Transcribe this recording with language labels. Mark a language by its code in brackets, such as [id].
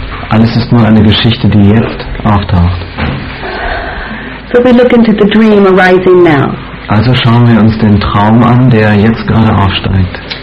[de] Alles ist nur eine Geschichte, die jetzt auftaucht. [en] So we look into the dream arising now. [de] Also schauen wir uns den Traum an, der jetzt gerade aufsteigt.